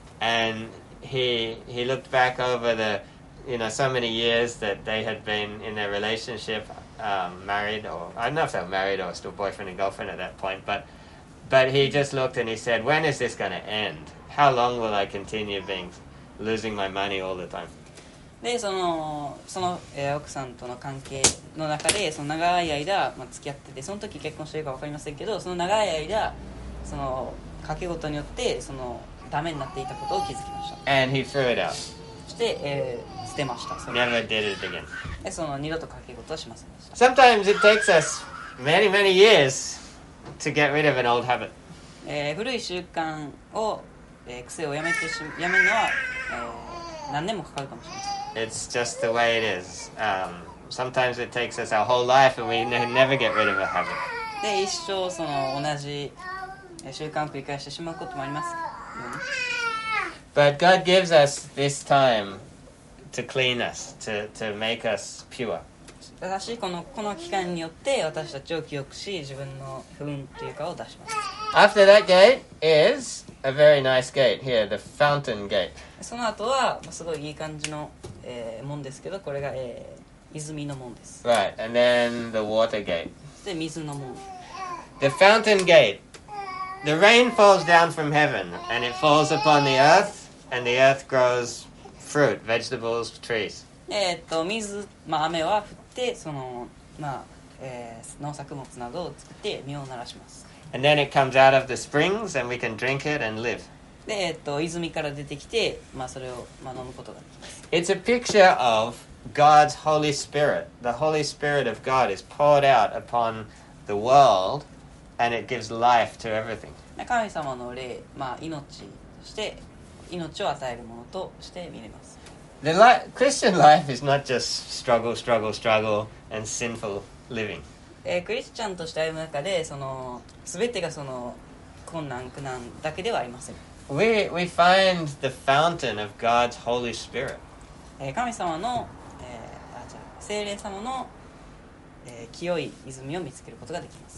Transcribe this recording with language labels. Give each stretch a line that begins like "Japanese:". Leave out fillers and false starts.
English: And he looked back over the you know so many years that they had been in their relationship, married or I don't know if they were married or still boyfriend and girlfriend at that point, but he just looked and he said, when is this going to end? How long will I continue being losing my money all the time?
Japanese: で、その、奥さんとの関係の中で、その長い間、まあ、付き合ってて、その時結婚してるか分かりませんけど、その長い間、その賭け事によって、そのダメになっていたことを気づきました。
English: And he threw it out.
Japanese: そして、捨てました。
English: Never did it again.
Japanese: で、その二度と賭け事はしませんでした。
English: Sometimes it takes us many, many years to get rid of an old habit.
Japanese: 古い習慣を癖をやめるのは、何年もかかるかもしれません。
English: It's just the way it is. Sometimes it takes us our whole life and we never get rid of a habit.
Japanese: で、一生その同じ習慣を繰り返してしまうこともあります。
English: But God gives us this time to clean us, to make us pure.
Japanese: しかしこの期間によって私たちを記憶し、自分の糞というかを出します。
English: After that gate is a very nice gate here, the fountain gate.
Japanese: その後はすごいいい感じの、門ですけど、これが、泉の門です。
English: Right, and then the water gate.
Japanese: で、水の門。
English: The fountain gate. The rain falls down from heaven, and it falls upon the earth, and the earth grows fruit, vegetables, trees.
Japanese: 水、まあ、雨は降って、その、まあ農作物などを作って実をならします。
English: And then it comes out of the springs, and we can drink it and live.
Japanese: で、泉から出てきて、まあ、それを、まあ、飲むことができます。
English: It's a picture of God's Holy Spirit. The Holy Spirit of God is poured out upon the world, and it gives life to everything.
Japanese: 神様の霊、まあ、命を与えるものとして見れます。
English: The Christian life is not just struggle, struggle, struggle, and sinful living.
Japanese: クリスチャンとして歩む中でその全てがその困難苦難だけではありません。
English: We find the fountain of God's Holy Spirit.
Japanese: 神様の、聖霊様の、清い泉を見つけることができます。